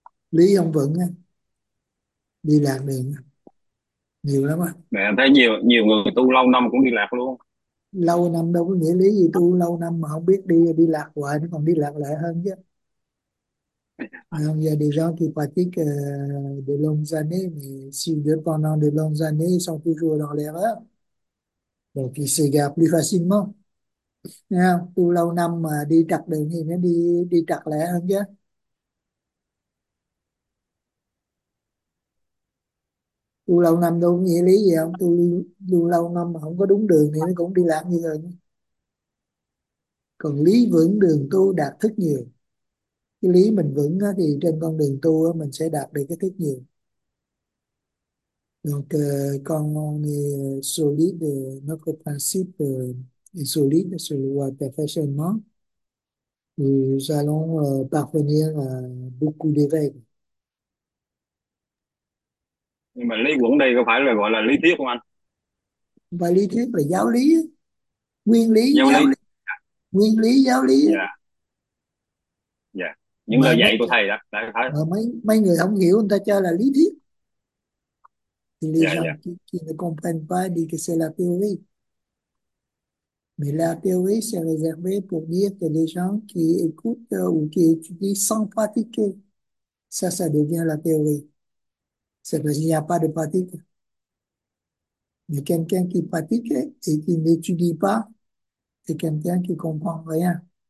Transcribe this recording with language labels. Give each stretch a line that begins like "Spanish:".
Vietnamese: Lý ông vững á, đi lạc đường nhiều lắm á. Mẹ thấy nhiều nhiều người tu lâu năm cũng đi lạc luôn. Lâu năm đâu có nghĩa lý gì, tu lâu năm mà không biết đi đi lạc hoài, nó còn đi lạc lại hơn chứ.
French: Alors, il y a des gens qui pratiquent de longues années, mais s'ils pendant de longues années, ils sont toujours dans l'erreur. Donc, ils s'égarent plus facilement.
Vietnamese: Tout lâu năm mà đi trật đường thì nó đi trật lẻ hơn chứ. Tu lâu năm đâu nghĩa lý gì không? Tu lâu năm mà không có đúng đường thì nó cũng đi lạc như rồi. Còn lý vững đường tu đạt thức nhiều. Cái lý mình vững á, thì trên con đường tu á, mình sẽ đạt được cái thức nhiều.
French: Donc quand on est solide, notre principe est solide sur le voie perfectionnement, nous allons parvenir à beaucoup d'éveils.
Vietnamese: Nhưng mà lý vững đây có phải là gọi là lý thuyết không anh? Không phải lý thuyết, là giáo lý. Nguyên lý, giáo giáo lý. Lý. Nguyên lý, giáo lý. Dạ. Những mà lời dạy của thầy đó, đã thấy. Mấy người không hiểu, người ta cho là lý thuyết. Thì lý do
French: qui ne comprennent pas dit que c'est la théorie. Mais la théorie c'est réservé pour dire que les gens qui écoutent ou qui étudient sans pratiquer, ça devient la théorie. C'est parce qu'il n'y a pas de pratique. Mais quelqu'un qui pratique et qui n'étudie pas, c'est quelqu'un qui ne comprend rien.